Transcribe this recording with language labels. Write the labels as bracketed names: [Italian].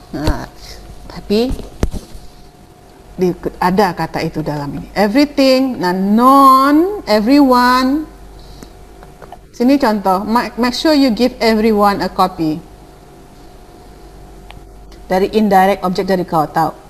[Indonesian] Nah, tapi ada kata itu dalam ini. [English] Everything, none, everyone. [Indonesian] Sini contoh, [English] make sure you give everyone a copy. [Indonesian] Dari indirect object dari kau tahu.